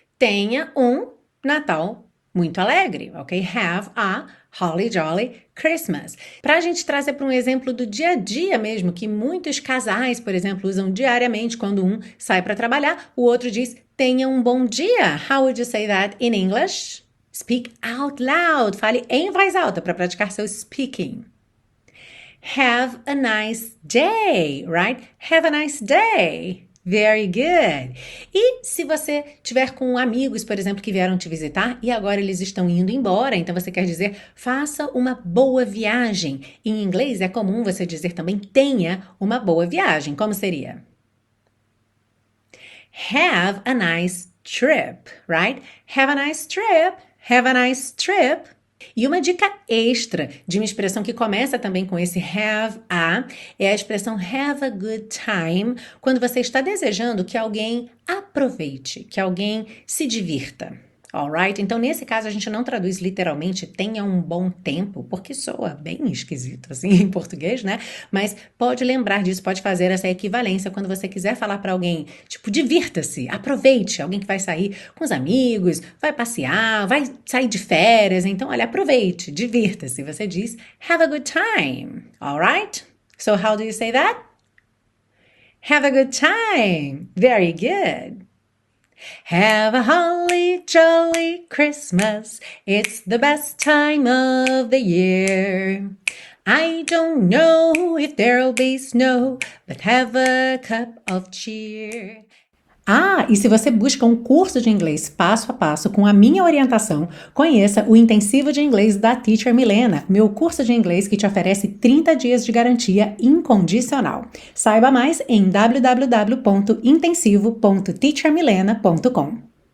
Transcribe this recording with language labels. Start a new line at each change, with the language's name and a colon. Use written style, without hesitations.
Portuguese: Tenha um Natal muito alegre, ok?
English: Have a holly jolly Christmas.
Portuguese: Para a gente trazer para um exemplo do dia a dia mesmo, que muitos casais, por exemplo, usam diariamente quando um sai para trabalhar, o outro diz, tenha um bom dia.
English: How would you say that in English? Speak out loud.
Portuguese: Fale em voz alta para praticar seu speaking.
English: Have a nice day, right? Have a nice day. Very good.
Portuguese: E se você tiver com amigos, por exemplo, que vieram te visitar e agora eles estão indo embora, então você quer dizer, faça uma boa viagem. Em inglês é comum você dizer também, tenha uma boa viagem. Como seria?
English: Have a nice trip, right? Have a nice trip, have a nice trip.
Portuguese: E uma dica extra de uma expressão que começa também com esse have a, é a expressão
English: have a good time,
Portuguese: quando você está desejando que alguém aproveite, que alguém se divirta. Alright? Então, nesse caso, a gente não traduz literalmente tenha um bom tempo, porque soa bem esquisito assim em português, né? Mas pode lembrar disso, pode fazer essa equivalência quando você quiser falar para alguém, tipo, divirta-se, aproveite, alguém que vai sair com os amigos, vai passear, vai sair de férias. Então, olha, aproveite, divirta-se. Você diz
English: have a good time, alright? So, how do you say that? Have a good time, very good. Have a holly jolly Christmas, it's the best time of the year. I don't know if there'll be snow, but have a cup of cheer.
Portuguese: Ah, e se você busca um curso de inglês passo a passo com a minha orientação, conheça o Intensivo de Inglês da Teacher Milena, meu curso de inglês que te oferece 30 dias de garantia incondicional. Saiba mais em www.intensivo.teachermilena.com.